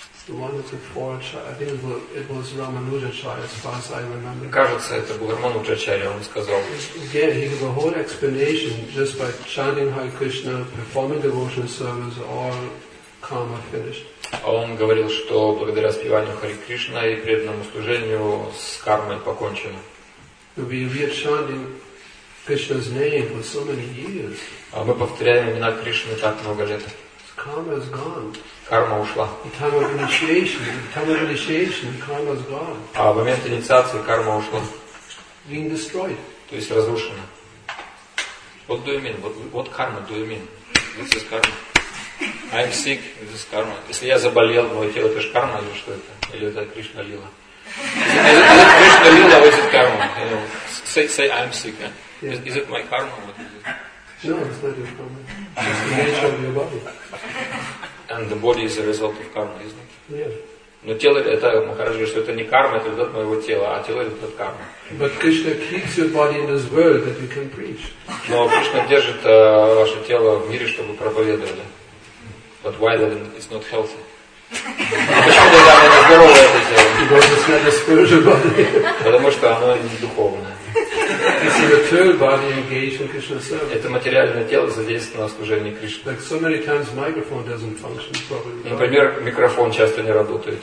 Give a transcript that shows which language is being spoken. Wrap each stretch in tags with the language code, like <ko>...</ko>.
<en>And it was Ramanujacharya, as far as I remember.</en> <ru>Кажется, это был Рамануджачарья, он сказал.</ru> <en>Again, he gave a whole explanation just by chanting Hare Krishna, performing devotional service, all karma finished.</en> <ru>Он говорил, что благодаря спеванию Хари Кришна и преданному служению с кармой покончено.</ru> <en>We are chanting Krishna's name for so many years.</en> <ru>А мы повторяем имена Кришны так много лет.</ru> <en>Karma is gone.</en> <ru>Карма ушла.</ru> <en>The time of initiation, karma is gone.</en> <ru>А в момент инициации карма ушла.</ru> <en>Being destroyed.</en> <ru>То есть разрушена.</ru> <en>What do you mean? What karma do you mean? This is karma. I am sick. This is karma.</en> <ru>Если я заболел, мое тело, это же карма или что это? Или это Кришна лила? Кришна лила, а это карма.</ru> <en>Say I am sick. Yeah. Is it my karma? What is it? No, it's not your karma. It's the nature of your body. And the body is a result of karma, isn't it? Yeah.</en> <ru>Но тело это, Махараджи говорит, что это не карма, это результат моего тела, а тело это результат кармы.</ru> <en>But Krishna keeps your body in this world that you can preach.</en> <ru>Но Кришна держит ваше тело в мире, чтобы проповедовали.</ru> <en>But why then it's not healthy?</en> <ru>Почему тогда оно не здоровое это тело?</ru> <en>Because it's not a spiritual body.</en> <ru>Потому что оно не духовное.</ru> <en>This is the third body engaged in Krishna's service.</en> <ru>Это материальное тело задействовано в служении Кришне.</ru> <en>Like so many times, microphone doesn't function properly.</en> <ru>Например, микрофон часто не работает.</ru>